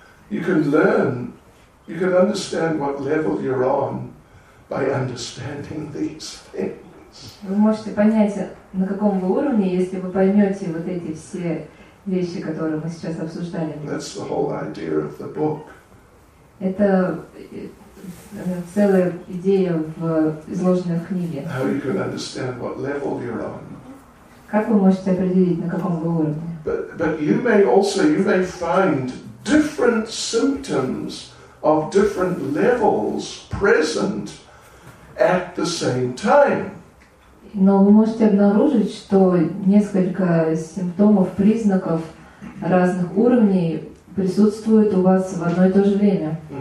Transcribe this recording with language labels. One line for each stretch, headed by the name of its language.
English: You can learn. You can understand what level you're on by understanding these things.
Russian: Вы можете понять, на каком вы уровне, если вы поймете вот эти все вещи, которые мы сейчас обсуждали.
English: That's the whole idea of the book.
Russian: Это целая идея в изложенной в книге.
English: How you can understand what level you're on.
Russian: Как вы можете определить, на каком вы уровне?
English: But you may also, you may find different symptoms of different levels present at the same time.
Russian: Но вы можете обнаружить, что несколько симптомов, признаков разных уровней присутствуют у вас в одно и то же время.